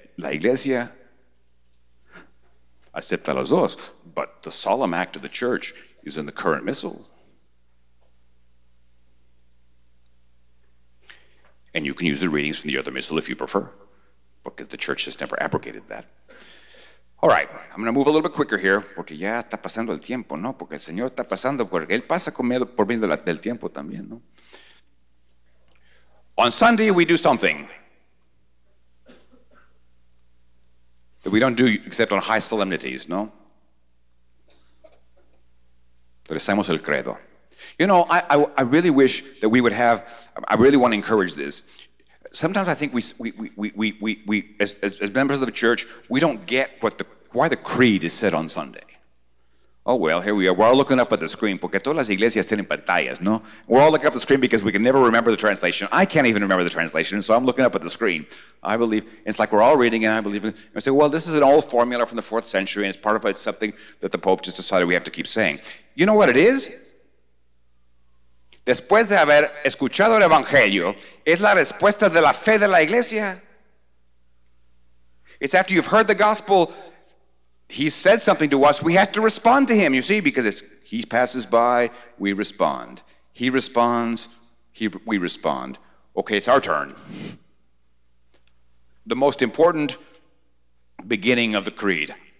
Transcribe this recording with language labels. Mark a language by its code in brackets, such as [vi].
[es] La iglesia acepta los dos. [en] But the solemn act of the church is in the current missal. And you can use the readings from the other missal if you prefer, because the church has never abrogated that. All right, I'm going to move a little bit quicker here. [es] Porque ya está pasando el tiempo, ¿no? Porque el Señor está pasando, porque Él pasa por medio del tiempo también, ¿no? [en] On Sunday, we do something that we don't do except on high solemnities, ¿no? [es] Rezamos el credo. [en] You know, I really wish that we would have, I really want to encourage this. Sometimes I think we as members of the church, we don't get why the creed is said on Sunday. Oh, well, here we are. We're all looking up at the screen. [es] Porque todas las iglesias tienen pantallas, ¿no? [en] We're all looking up the screen because we can never remember the translation. I can't even remember the translation, so I'm looking up at the screen. I believe, it's like we're all reading it, I believe. And I say, well, this is an old formula from the 4th century, and it's part of it, something that the Pope just decided we have to keep saying. You know what it is? [es] Después de haber escuchado el Evangelio, es la respuesta de la fe de la iglesia. [en] It's after you've heard the gospel, he said something to us, we have to respond to him, you see, because he passes by, we respond. He responds, we respond. Okay, it's our turn. The most important beginning of the creed.